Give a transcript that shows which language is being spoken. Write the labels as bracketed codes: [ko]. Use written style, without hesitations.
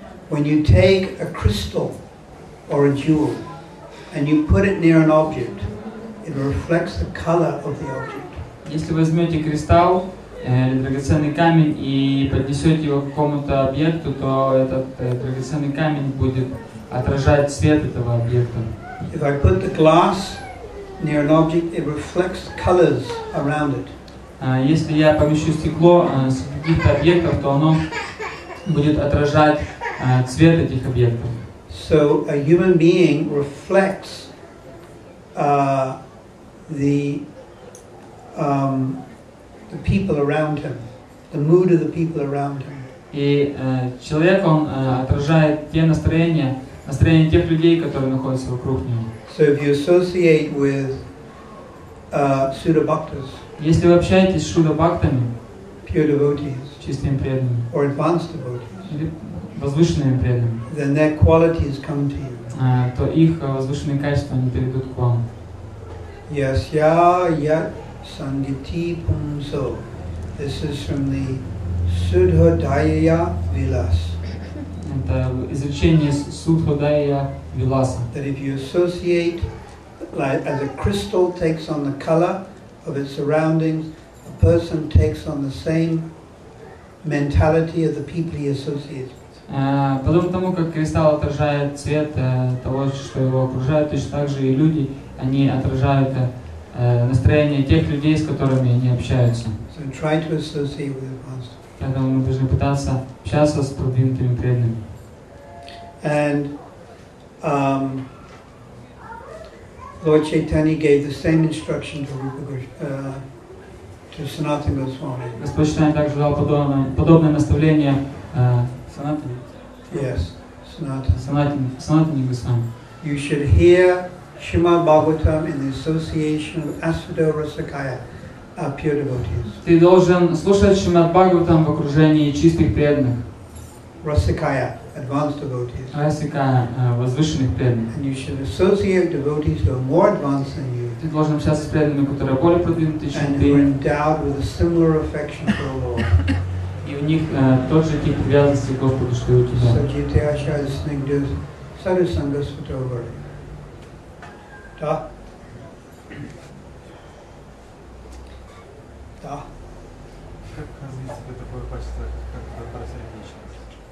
[en] When you take a crystal or a jewel and you put it near an object, it reflects the color of the object. [ru] Если возьмете кристалл или драгоценный камень и поднесете его к какому-то объекту, то этот драгоценный камень будет отражать свет этого объекта. [en] If I put the glass near an object, it reflects colors around it. [ru] Если я помещу стекло среди каких-то объектов, то оно будет отражать цвет этих объектов. [en] So a human being reflects the people around him, the mood of the people around him. [ru] И человек он отражает те настроения тех людей, которые находятся вокруг него. [en] So if you associate with suddha-bhaktas, [ru] если вы общаетесь с суддабхактами, [en] pure devotees, [ru] чистыми преданными, [en] or advanced devotees, [ru] возвышенными преданными, [en] then their qualities come to you. [ru] То их возвышенные качества они перейдут к вам. Yes, я Sangiti Pumso. [en] This is from the Sudhodaya Vilas. [ru] Это изучение Sudhodaya Vilasa. [en] That if you associate, like, as a crystal takes on the color of its surroundings, a person takes on the same mentality of the people he associates with. [ru] Подобно тому, как кристалл отражает цвет того, что его окружает, точно так же и люди, они отражают настроение тех людей, с которыми они общаются. [en] So try to associate with advanced. [ru] Я думаю, мы должны пытаться общаться с продвинутыми преданными. [en] And Lord Chaitanya gave the same instruction to Rupa to Sanatana Goswami. [ru] Господь Чайтанья также дал подобное наставление Санатане. [en] Yes, [ru] Санатане Госвами. [en] You should hear Shrimad Bhagavatam in the association of Asvado Rasakaya, our pure devotees. [ru] Ты должен слушать Шримад Бхагаватам в окружении чистых преданных. [en] Rasakaya, advanced devotees. [ru] Rasakaya, возвышенных преданных. [en] And you should associate devotees who are more advanced than you. [ru] Ты должен общаться с преданными, которые более продвинуты, чем ты. [en] And who are endowed with a similar affection for the Lord. [ru] И у них тот же тип привязанности к Господу, что и у тебя. [sa] Sajjite Ashaya Snigdhas Sadhu Sanghas Vatovari. [ru] Да. Как развить себе такое качество, как добросердечность?